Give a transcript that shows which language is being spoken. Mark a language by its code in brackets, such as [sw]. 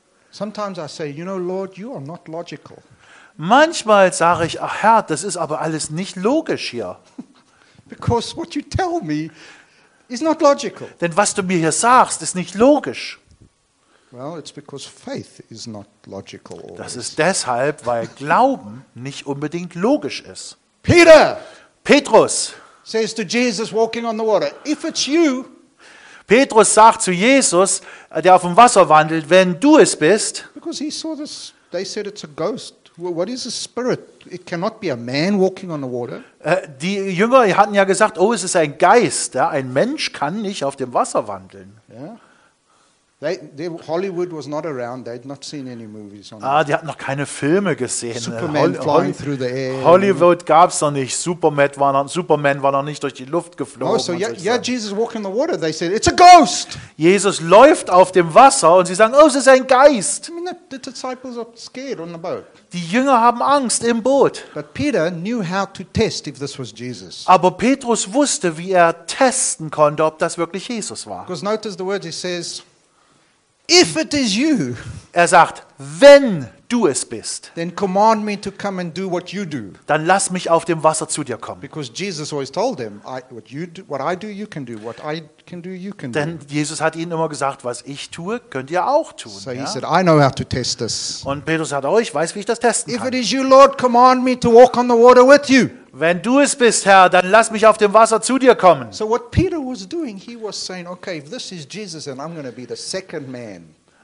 [en] Sometimes I say, you know, Lord, you are not logical. [de] Manchmal sage ich, ach Herr, das ist aber alles nicht logisch hier. [en] Because what you tell me is not logical. [de] Denn was du mir hier sagst, ist nicht logisch. [en] Well, it's because faith is not logical always. [de] Das ist deshalb, weil Glauben nicht unbedingt logisch ist. Petrus [en] says to Jesus walking on the water, if it's you. [de] Petrus sagt zu Jesus, der auf dem Wasser wandelt, wenn du es bist. [en] Because he saw this, they said it's a ghost. Well, what is a spirit? It cannot be a man walking on the water. [de] Die Jünger hatten ja gesagt, oh, es ist ein Geist. Ja? Ein Mensch kann nicht auf dem Wasser wandeln. [en] Yeah. Hollywood was not around. They had not seen any movies on. [de] Ah, die hatten noch keine Filme gesehen. [en] Superman flying through the air. [de] Hollywood gab's noch nicht. Superman war noch nicht durch die Luft geflogen. [en] Oh, so yeah, Jesus walking on the water. They said it's a ghost. [de] Jesus läuft auf dem Wasser und sie sagen, oh, es ist ein Geist. [en] I mean, the disciples are scared on the boat. [de] Die Jünger haben Angst im Boot. [en] But Peter knew how to test if this was Jesus. [de] Aber Petrus wusste, wie er testen konnte, ob das wirklich Jesus war. [en] Because notice the words he says, if it is you. [de] Er sagt, wenn du es bist. [en] Then command me to come and do what you do. [de] Dann lass mich auf dem Wasser zu dir kommen. [en] Because Jesus always told them, what I do, you can do. [de] Denn Jesus hat ihnen immer gesagt, was ich tue, könnt ihr auch tun. [en] So he said, I know how to test this. [de] Und Petrus sagt, oh, ich weiß, wie ich das testen kann. [en] If it is you, Lord, command me to walk on the water with you. [de] Wenn du es bist, Herr, dann lass mich auf dem Wasser zu dir kommen. [en] So what Peter was doing, he was saying, okay, if this is Jesus, then I'm going to be the second man.